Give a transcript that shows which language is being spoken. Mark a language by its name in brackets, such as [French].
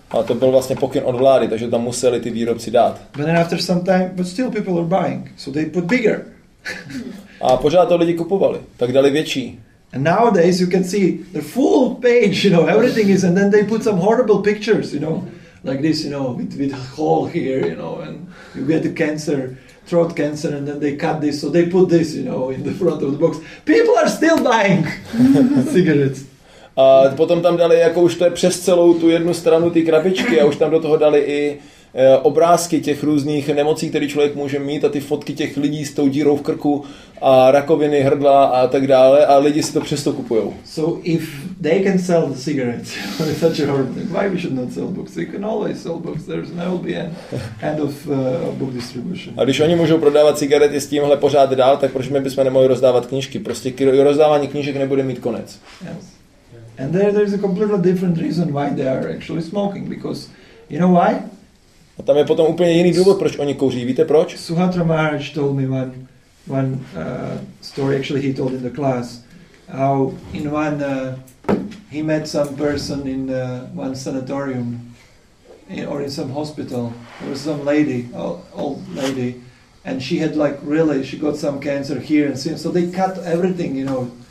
[Czech] A to byl vlastně pokyn od vlády, takže tam museli ty výrobci dát. [English] But then after some time, but still people are buying, so they put bigger. [Czech] A pořád to lidi kupovali, tak dali větší. [English] And nowadays you can see the full page, you know, everything is, and then they put some horrible pictures, you know, like this, you know, with a hole here, you know, and you get the cancer, throat cancer, and then they cut this, so they put this, you know, in the front of the box. People are still buying cigarettes. [Czech] A potom tam dali, jako už to je přes celou tu jednu stranu ty krabičky a už tam do toho dali i obrázky těch různých nemocí, které člověk může mít a ty fotky těch lidí s tou dírou v krku a rakoviny hrdla a tak dále a lidi si to přesto kupujou. [English] So if they can sell the cigarettes on such a hard thing, why we should not sell books? They can always sell books, there's no end of book distribution. [Czech] A když oni můžou prodávat cigarety s tímhle pořád dál, tak proč my bychom nemohli rozdávat knížky? Prostě rozdávání knížek nebude mít konec. [English] Yes. And there is a completely different reason why they are actually smoking, because you know why? [Czech] A tam je potom úplně jiný důvod, proč oni kouří. Víte proč? [English] Suhatra Maharaj told me one story, actually he told in the class, how in one he met some person in one sanatorium or in some hospital. There was some lady, old lady, and she had like really, she got some cancer here and so they cut everything, you know.